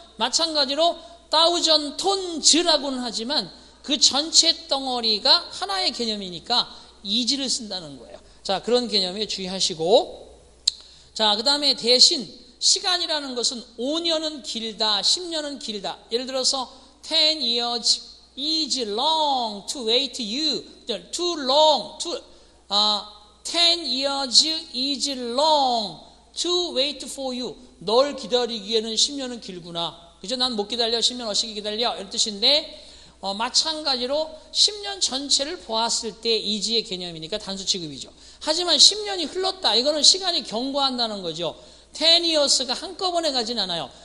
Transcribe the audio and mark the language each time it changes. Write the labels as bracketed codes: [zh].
[ko] 마찬가지로 1,000톤즈라고는 하지만 그 전체 덩어리가 하나의 개념이니까 이즈를 쓴다는 거예요. 자, 그런 개념에 주의하시고 자, 그 다음에 대신 시간이라는 것은 5년은 길다, 10년은 길다. 예를 들어서 [en] 10 years is long to wait you. Too long. Ten years is long to wait for you. [ko] 널 기다리기에는 10년은 길구나. 그죠? 난 못 기다려. 10년 어시기 기다려. 이런 뜻인데 마찬가지로 10년 전체를 보았을 때 이지의 개념이니까 단수 취급이죠. 하지만 10년이 흘렀다. 이거는 시간이 경과한다는 거죠. 10 years가 한꺼번에 가진 않아요.